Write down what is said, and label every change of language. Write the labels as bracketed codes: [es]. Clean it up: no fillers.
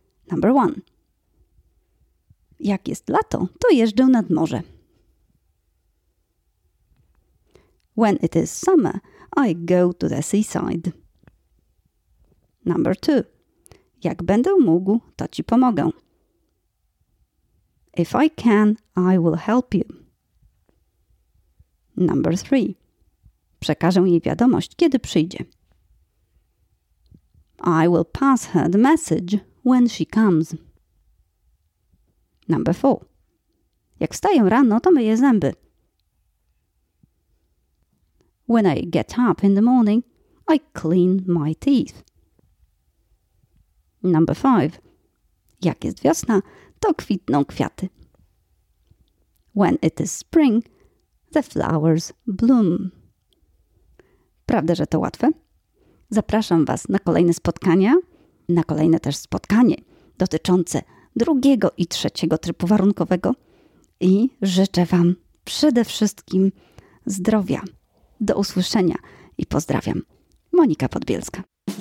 [en] Number one. [pl] Jak jest lato, to jeżdżę nad morze. [en] When it is summer, I go to the seaside. Number two. [pl] Jak będę mógł, to ci pomogę. [en] If I can, I will help you. Number three. [pl] Przekażę jej wiadomość, kiedy przyjdzie. [en] I will pass her the message when she comes. Number four. [pl] Jak wstaję rano, to myję zęby. [en] When I get up in the morning, I clean my teeth. Number five. [pl] Jak jest wiosna, to kwitną kwiaty. [en] When it is spring, the flowers bloom. [pl] Prawda, że to łatwe? Zapraszam Was na kolejne spotkania, na kolejne też spotkanie dotyczące drugiego i trzeciego trybu warunkowego i życzę Wam przede wszystkim zdrowia. Do usłyszenia i pozdrawiam. Monika Podbielska.